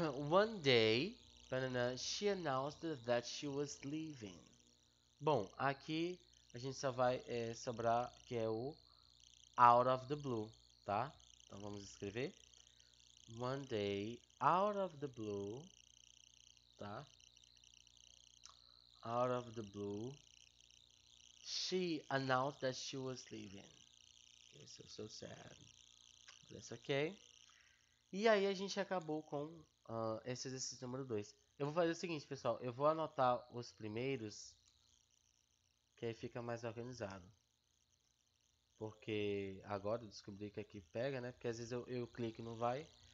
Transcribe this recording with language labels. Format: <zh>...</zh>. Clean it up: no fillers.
<en>One day, she announced that she was leaving.</en> <pt>Bom, aqui a gente só vai sobrar que é o</pt> <en>out of the blue,</en> <pt>tá? Então vamos escrever.</pt> <en>One day, out of the blue, tá? Out of the blue, she announced that she was leaving. Okay, so, so sad. That's okay.</en> <pt>E aí a gente acabou com esse exercício número 2. Eu vou fazer o seguinte, pessoal. Eu vou anotar os primeiros, que aí fica mais organizado. Porque agora eu descobri que aqui pega, né? Porque às vezes eu clico e não vai.</pt>